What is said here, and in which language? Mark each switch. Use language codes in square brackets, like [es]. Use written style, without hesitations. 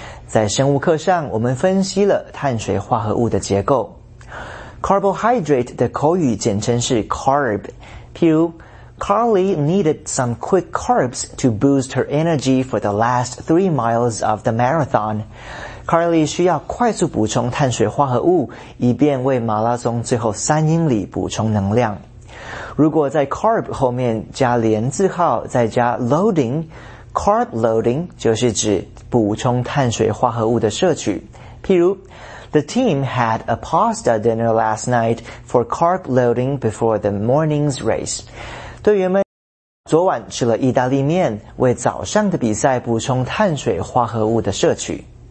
[zh] 在生物课上，我们分析了碳水化合物的结构。 Carbohydrate 的口语简称是 carb. 譬如 [en] Carly needed some quick carbs to boost her energy for the last 3 miles of the marathon. [zh] Carly 需要快速补充碳水化合物，以便为马拉松最后3英里补充能量。如果在 carb 后面加连字号，再加 loading， carb loading 就是指补充碳水化合物的摄取。譬如 [en] ，The team had a pasta dinner last night for carb loading before the morning's race。 [zh] 队员们昨晚吃了意大利面，为早上的比赛补充碳水化合物的摄取。